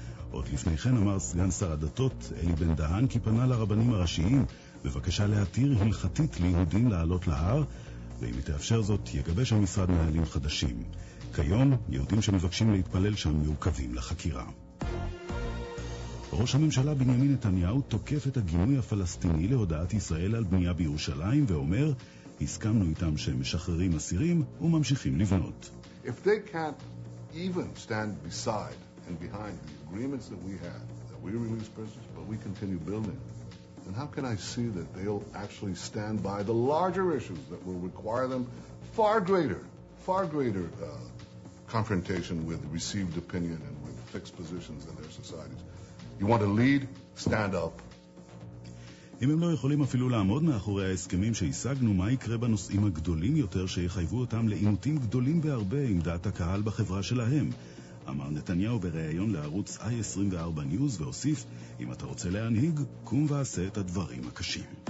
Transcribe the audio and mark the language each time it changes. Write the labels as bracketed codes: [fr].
[he] עוד לפני כן אמר סגן שר הדתות אלי בן דהן כי פנה לרבנים הראשיים בבקשה להתיר הלכתית ליהודים לעלות להר, ואם יתאפשר זאת יגבש המשרד נהלים חדשים. כיום יהודים שמבקשים להתפלל שם מעוכבים לחקירה. ראש הממשלה בנימין נתניהו תוקף את הגינוי הפלסטיני להודעת ישראל על בנייה בירושלים ואומר הסכמנו איתם שהם משחררים אסירים וממשיכים לבנות. [en] If they can't even stand beside and behind the agreements that we had, that we release prisoners, but we continue building, then how can I see that they'll actually stand by the larger issues that will require them far greater confrontation with received opinion and with fixed positions in their societies? You want to lead? Stand up. [he] אם הם לא יכולים אפילו לעמוד מאחורי ההסכמים שהשגנו, מה יקרה בנושאים הגדולים יותר שיחייבו אותם לאימותים גדולים בהרבה עם דעת הקהל בחברה שלהם? אמר נתניהו בריאיון לערוץ I24 News והוסיף, אם אתה רוצה להנהיג, קום ועשה את הדברים הקשים.